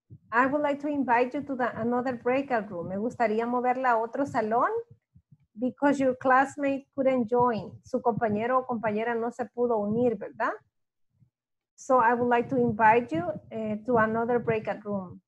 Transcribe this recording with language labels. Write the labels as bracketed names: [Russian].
[English] I would like to invite you to another breakout room. [Spanish] Me gustaría moverla a otro salón [English] because your classmate couldn't join. [Spanish] Su compañero o compañera no se pudo unir, ¿verdad? [English] So I would like to invite you to another breakout room.